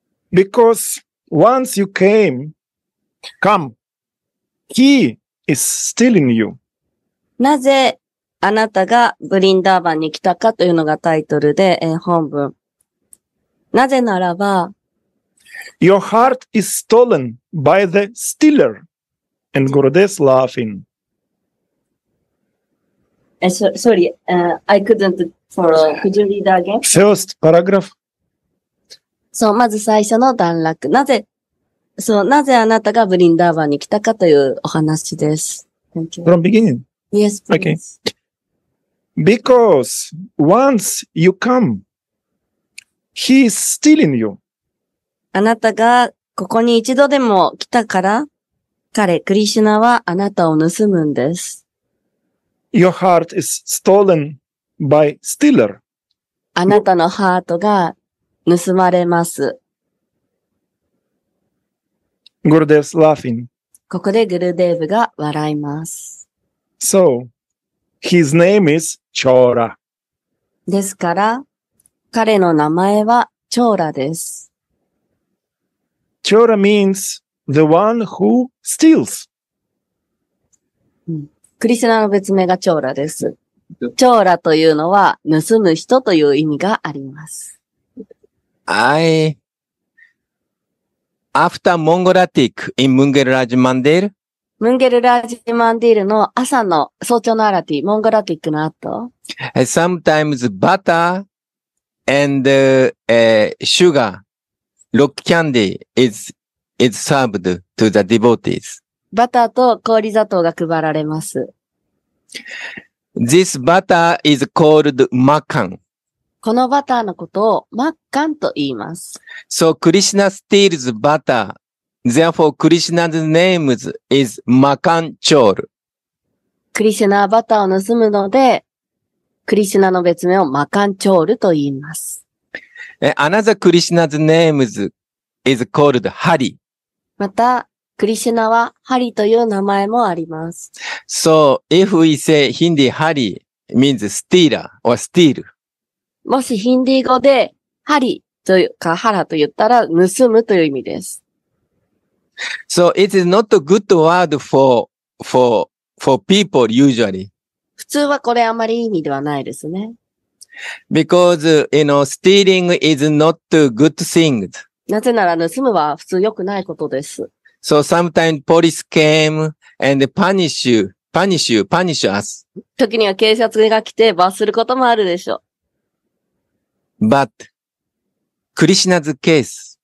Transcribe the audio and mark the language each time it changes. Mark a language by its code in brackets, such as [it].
[en] Because once you came, come, he is still in you. [ja] なぜあなたがブリンダーバンに来たかというのがタイトルで、本文。なぜならば、 [en] Your heart is stolen by the stealer. And Gurudev's laughing. Sorry, I couldn't follow. Could you read that again? First paragraph. [ja] そう、まず最初の段落。なぜ、そう、なぜあなたがブリンダーバンに来たかというお話です。 [en] Thank you. From beginning. Yes, please. Okay. Because once you come,He is still in you. [ja] あなたがここに一度でも来たから、彼、クリシュナはあなたを盗むんです。 [en] Your heart is stolen by stealer. [ja] あなたのハートが盗まれます。 [en] Gurudev's laughing. [ja] ここでグルデーヴが笑います。 [en] So, his name is Chora. [ja] ですから、彼の名前はチョーラです。 [en] チョーラ means the one who steals. [ja] クリシュナの別名がチョーラです。チョーラというのは盗む人という意味があります。 [en] I after Mongolatik in Munger Raj Mandir. [ja] ムンゲルラジマンディールの朝の早朝のアラティ、モンゴラティックの後。 [en] Sometimes butter. And, sugar, rock candy is served to the devotees. [ja] バターと氷砂糖が配られます。 [en] This butter is called makkan. [ja] このバターのことをマッカンと言います。 [en] So, Krishna steals butter. Therefore, Krishna's name is makkan chol. [ja] クリシュナはバターを盗むので、クリシュナの別名をマカンチョールと言います。 [en] Another Krishna's name is called Hari. [ja] また、クリシュナはハリという名前もあります。 [en] So, if we say Hindi Hari means stealer or steal. [ja] もしヒンディー語でハリというかハラと言ったら盗むという意味です。 [en] So, it is not a good word for people usually. [ja] 普通はこれあまり意味ではないですね。 [en] Because, you know, stealing is not a good thing. [ja] なぜなら盗むは普通良くないことです。 [en] So sometimes police came and punish us. [ja] 時には警察が来て罰することもあるでしょう。 [en] But, Krishna's case.